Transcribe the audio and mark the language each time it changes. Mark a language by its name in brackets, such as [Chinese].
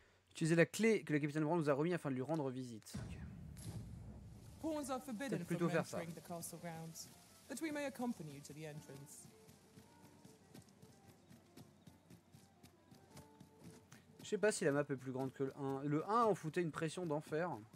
[French] Utiliser la clé que le capitaine Brown nous a remis afin de lui rendre visite. [English] Pawns are forbidden from entering the castle grounds, but we may accompany you to the entrance. [French] Je sais pas si la map est plus grande que le 1. Le 1 en foutait une pression d'enfer.